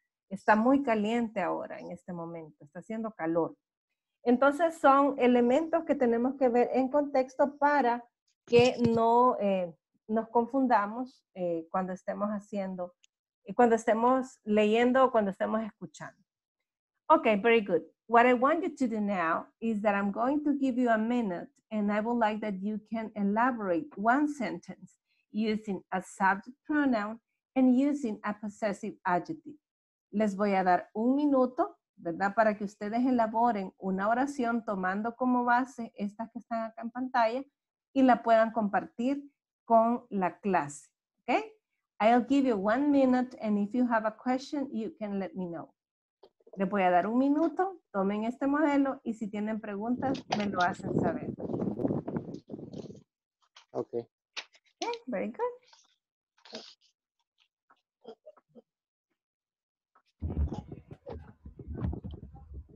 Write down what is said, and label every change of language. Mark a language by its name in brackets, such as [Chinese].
[Spanish] Está muy caliente ahora en este momento. Está haciendo calor. Entonces son elementos que tenemos que ver en contexto para que no nos confundamos cuando estemos haciendo, cuando estemos leyendo o cuando estemos escuchando. [English] Okay, very good. What I want you to do now is that I'm going to give you a minute and I would like that you can elaborate one sentence using a subject pronoun and using a possessive adjective. [Spanish] Les voy a dar un minuto, ¿verdad? Para que ustedes elaboren una oración tomando como base estas que están acá en pantalla y la puedan compartir con la clase, ¿okay? [English] I'll give you 1 minute and if you have a question, you can let me know. [Spanish] Les voy a dar un minuto, tomen este modelo y si tienen preguntas, me lo hacen saber. [English] Okay. Okay, very good.